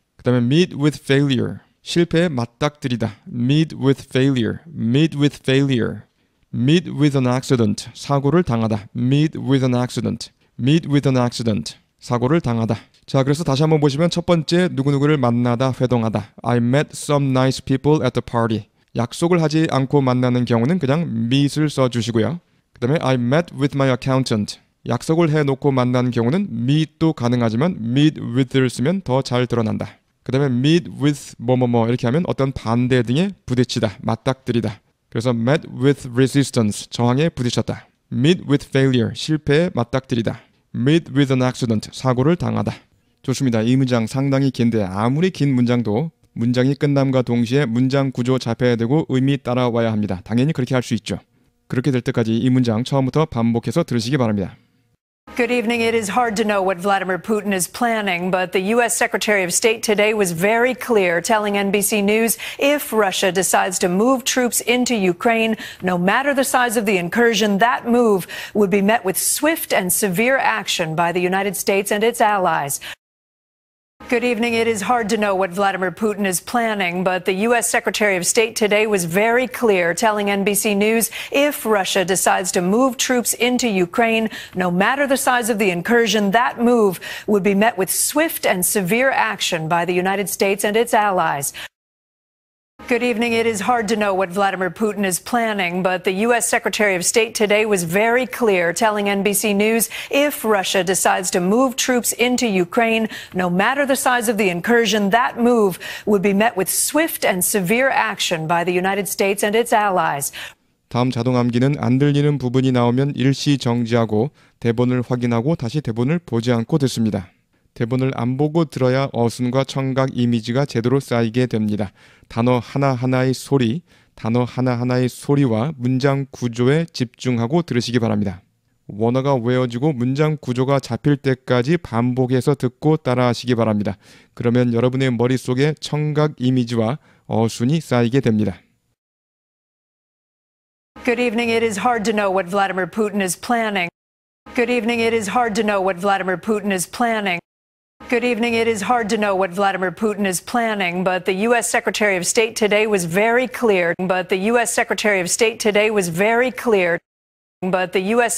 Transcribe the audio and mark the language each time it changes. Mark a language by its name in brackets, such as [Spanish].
[Korean] 그 다음에 [English] meet with failure. [Korean] 실패에 맞닥뜨리다. [English] Meet with failure. Meet with failure. Meet with an accident. [Korean] 사고를 당하다. [English] Meet with an accident. Meet with an accident. [Korean] 사고를 당하다. 자, 그래서 다시 한번 보시면 첫 번째 누구누구를 만나다, 회동하다. [English] I met some nice people at the party. [Korean] 약속을 하지 않고 만나는 경우는 그냥 meet을 써주시고요. 그 다음에 [English] I met with my accountant. [Korean] 약속을 해놓고 만난 경우는 meet도 가능하지만 meet with를 쓰면 더 잘 드러난다. 그 다음에 meet with 뭐뭐뭐 이렇게 하면 어떤 반대 등에 부딪히다, 맞닥뜨리다. [English] 그래서 met with resistance, [Korean] 저항에 부딪혔다. [English] meet with failure, [Korean] 실패에 맞닥뜨리다. [English] meet with an accident, [Korean] 사고를 당하다. 좋습니다. 이 문장 상당히 긴데 아무리 긴 문장도 문장이 끝남과 동시에 문장 구조 잡혀야 되고 의미 따라와야 합니다. 당연히 그렇게 할 수 있죠. 그렇게 될 때까지 이 문장 처음부터 반복해서 들으시기 바랍니다. [English] Good evening. It is hard to know what Vladimir Putin is planning, but the U.S. Secretary of State today was very clear, telling NBC News if Russia decides to move troops into Ukraine, no matter the size of the incursion, that move would be met with swift and severe action by the United States and its allies. Good evening. It is hard to know what Vladimir Putin is planning, but the U.S. Secretary of State today was very clear, telling NBC News if Russia decides to move troops into Ukraine, no matter the size of the incursion, that move would be met with swift and severe action by the United States and its allies. Good evening. It is hard to know what Vladimir Putin is planning, but the U.S. Secretary of State today was very clear, telling NBC News if Russia decides to move troops into Ukraine, no matter the size of the incursion, that move would be met with swift and severe action by the United States and its allies. [Korean] 다음 자동 암기는 안 들리는 부분이 나오면 일시 정지하고 대본을 확인하고 다시 대본을 보지 않고 듣습니다. 대본을 안 보고 들어야 어순과 청각 이미지가 제대로 쌓이게 됩니다. 단어 하나하나의 소리, 단어 하나하나의 소리와 문장 구조에 집중하고 들으시기 바랍니다. 원어가 외워지고 문장 구조가 잡힐 때까지 반복해서 듣고 따라하시기 바랍니다. 그러면 여러분의 머릿속에 청각 이미지와 어순이 쌓이게 됩니다. [English] Good evening. It is hard to know what Vladimir Putin is planning. Good evening. It is hard to know what Vladimir Putin is planning. Good evening. It is hard to know what Vladimir Putin is planning, but the U.S. Secretary of State today was very clear. But the U.S. Secretary of State today was very clear. But the U.S.